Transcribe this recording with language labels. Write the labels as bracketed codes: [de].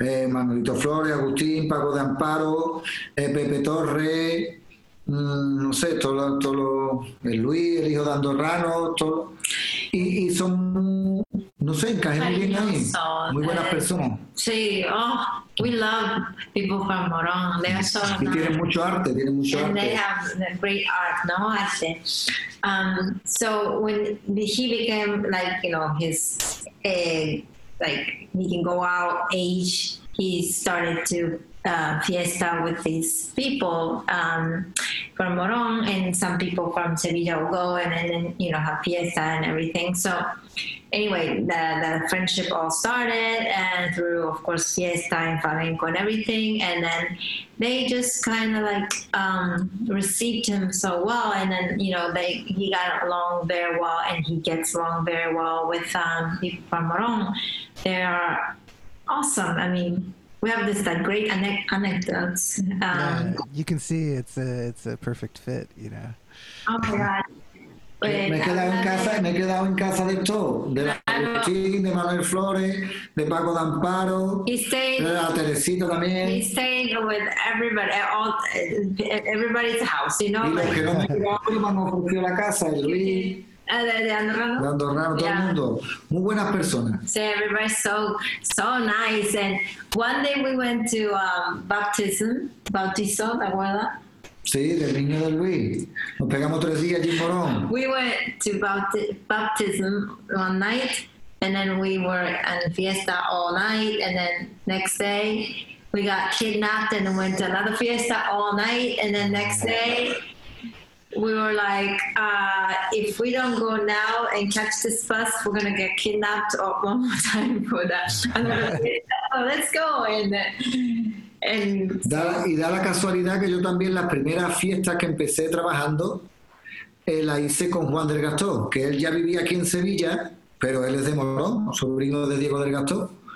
[es] Manolito Flores, Agustín, Paco de Amparo, Pepe Torres, no sé, el Luis, el hijo de Andorrano, todo. Y son, no sé, encajan muy bien ahí. Muy buenas personas. Sí, [en] oh, we love people from Morón. They are so nice. [es] Y tienen mucho arte, tienen mucho [en] and [es] arte. [en] And they have great art, [es] ¿no? [en] I see. So when he became, like, you know, his, like, he can go out age, he started to fiesta with these people from Morón, and some people from Sevilla will go and then, you know, have fiesta and everything. So anyway, the friendship all started, and through, of course, fiesta and flamenco and everything, and then they just kind of like received him so well, and then, you know, he got along very well, and he gets along very well with people from Morón. They are awesome. I mean, we have this like great anecdotes. Yeah, you can see it's a perfect fit, you know. Oh my god. [es] Me he quedado en casa de todo, de Agustín, de Manuel Flores, de Paco de Amparo, de la Teresita también. [en] He stayed with everybody at everybody's house, you know. [es] Y los que no han llegado, no han ofrecido la casa, el Luis. De Andorra, todo [en] yeah. [es] El mundo. Muy buenas personas. Sí, [en] everybody's so nice. And one day we went to bautizo, [es] ¿te acuerdas? Sí, del niño de Luis. Nos pegamos 3 días allí en Morón. [en] We went to baptism one night, and then we were in fiesta all night, and then next day we got kidnapped and went to another fiesta all night, and then next day we were like, if we don't go now and catch this bus, we're going to get kidnapped one more time for that. Oh, let's go. [es] Y da la casualidad que yo también las primeras fiestas que empecé trabajando, la hice con Juan del Gastó, que él ya vivía aquí en Sevilla, pero él es de Morón, sobrino de Diego del Gastó.